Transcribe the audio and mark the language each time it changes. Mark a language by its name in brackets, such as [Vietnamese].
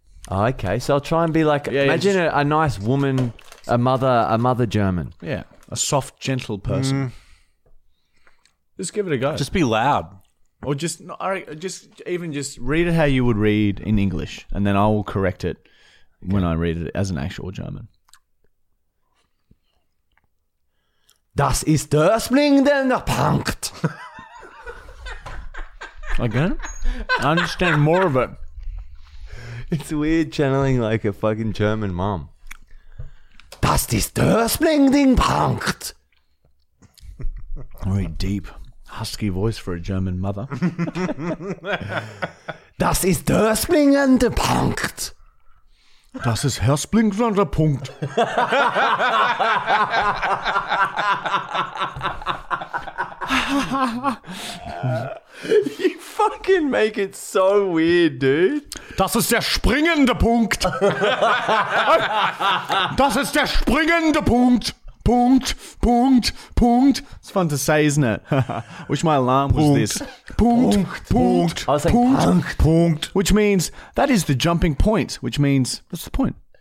[English] Okay, so I'll try and be like, yeah, imagine just... a nice woman, a mother German. Yeah, a soft, gentle person. Mm. Just give it a go. Just be loud. Or just read it how you would read in English, and then I will correct it when I read it as an actual German. [German] Das ist der Springenden Punkt. [English] Again? I understand more of it. It's weird channeling like a fucking German mom. [German] Das ist der Springenden Punkt. [English] Very deep, husky voice for a German mother. [German] Das ist der Springenden Punkt. Das ist Herr Splinkwander Punkt. [English] You fucking make it so weird, dude. [German] Das ist der springende Punkt. Das ist der springende Punkt. Punkt, Punkt, Punkt. [English] It's fun to say, isn't it? Which my alarm was [German] punkt. [English] This. [German] Punkt, Punkt, Punkt, Punkt, Punkt, Punkt. [English] Which means, that is the jumping point, which means, what's the point?